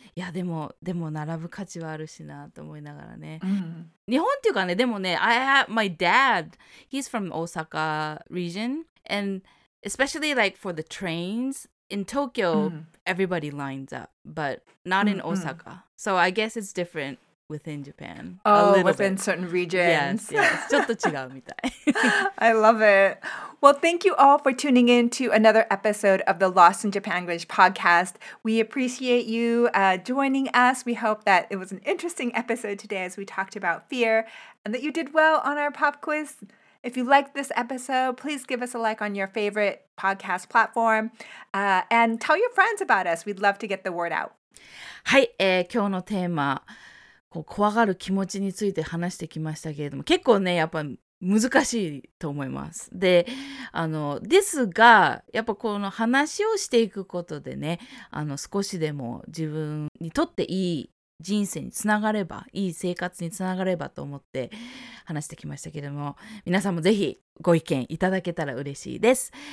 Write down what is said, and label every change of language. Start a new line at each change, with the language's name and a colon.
Japanese: いやでも並ぶ価値はあるしなと思いながらね、
English: mm-hmm.
Japanese: 日本っていうかねでもね
English: I have my dad he's from Osaka region and especially like for the trainsIn Tokyo, everybody lines up, but not in Osaka. So I guess it's different within Japan. Oh, within certain regions. Yes, yes.
Japanese: ちょっと違うみたい。
English: I love it. Well, thank you all for tuning in to another episode of the Lost in Japan English podcast. We appreciate you joining us. We hope that it was an interesting episode today as we talked about fear and that you did well on our pop quiz. If you liked this episode, please give us a like on your favorite podcast platform. And tell your friends about us. We'd love to get the word out.
Japanese: はい、今日のテーマ、こう怖がる気持ちについて話してきましたけれども、結構ね、やっぱ難しいと思います。で、あの、ですが、やっぱこの話をしていくことでね、あの、少しでも自分にとっていい人生につながればいい生活につながればと思って話してきましたけれども皆さんもぜひご意見いただけたら嬉しいです。